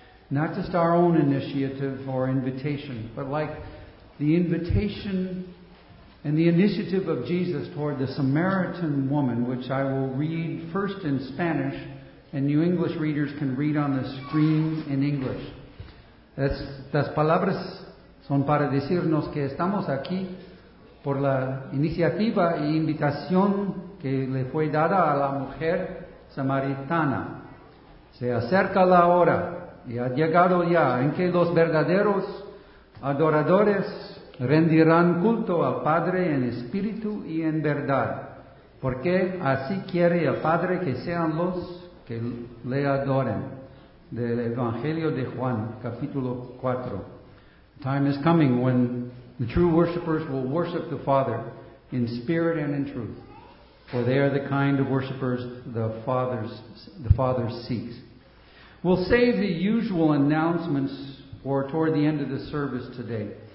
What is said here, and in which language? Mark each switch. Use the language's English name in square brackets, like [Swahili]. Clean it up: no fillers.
[English] Not just our own initiative or invitation, but like the invitation and the initiative of Jesus toward the Samaritan woman, which I will read first in Spanish, and you English readers can read on the screen in English. [Spanish] Estas palabras son para decirnos que estamos aquí por la iniciativa e invitación que le fue dada a la mujer samaritana. Se acerca la hora y ha llegado ya en que los verdaderos adoradores rendirán culto al Padre en espíritu y en verdad, porque así quiere el Padre que sean los que le adoren. Del Evangelio de Juan, capítulo 4. [English] The time is coming when the true worshipers will worship the Father in spirit and in truth, for they are the kind of worshipers the Father seeks. We'll save the usual announcements for toward the end of the service today.